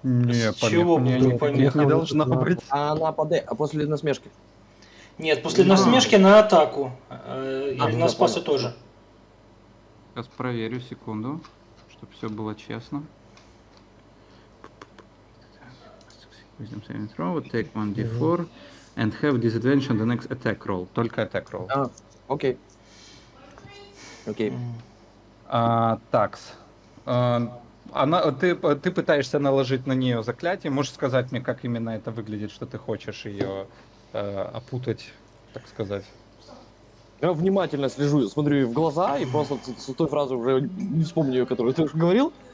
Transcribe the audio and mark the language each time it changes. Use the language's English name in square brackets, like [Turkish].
[Russian] Нет, помех не должно быть. А она падает, а после насмешки? Нет, после насмешки на атаку. Или на спасу тоже. Сейчас проверю, секунду, чтобы все было честно. [English] Wisdom saving throw, take 1d4, and have disadvantage on the next attack roll. [Russian] Только [English] attack roll. [Russian] Окей. Окей. Такс. Ты пытаешься наложить на нее заклятие. Можешь сказать мне, как именно это выглядит, что ты хочешь ее опутать, так сказать. Я внимательно слежу, смотрю ей в глаза и просто с той фразы уже не вспомню, которую ты уже говорил.